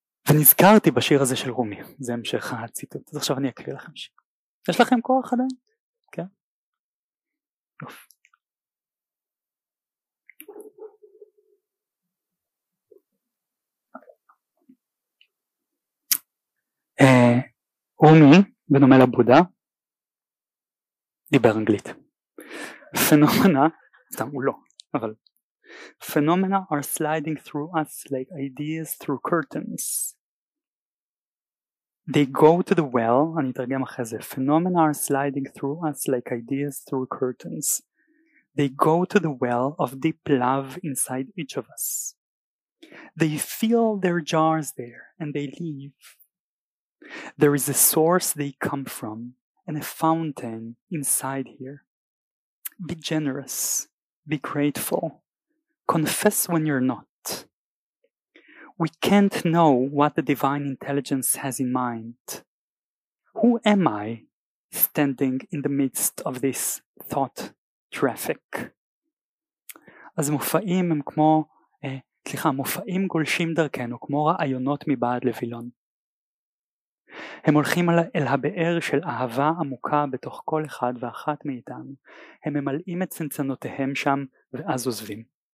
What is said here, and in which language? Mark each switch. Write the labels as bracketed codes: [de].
[he] ונזכרתי בשיר הזה של רומי, זה המשך הציטוט, אז עכשיו אני אקריא לכם שיר. יש לכם כוח עדיין? כן? אוף. רומי, בנומה לבודה, דיבר אנגלית. [en] Phenomena, [he] סתם, הוא לא, אבל [en] Phenomena are sliding through us like ideas through curtains. They go to the well, [he] אני אתרגם אחרי זה. [en] Phenomena are sliding through us like ideas through curtains. They go to the well of deep love inside each of us. They fill their jars there and they leave. There is a source they come from and a fountain inside here. Be generous, be grateful, confess when you're not. We can't know what the divine intelligence has in mind. Who am I standing in the midst of this thought traffic? [he] אז מופעים הם כמו, מופעים גולשים דרכנו, כמו רעיונות מבעד לבילון. הם הולכים אל הבאר של אהבה עמוקה בתוך כל אחד ואחת מאיתנו. הם ממלאים את צנצנותיהם שם ואז עוזבים.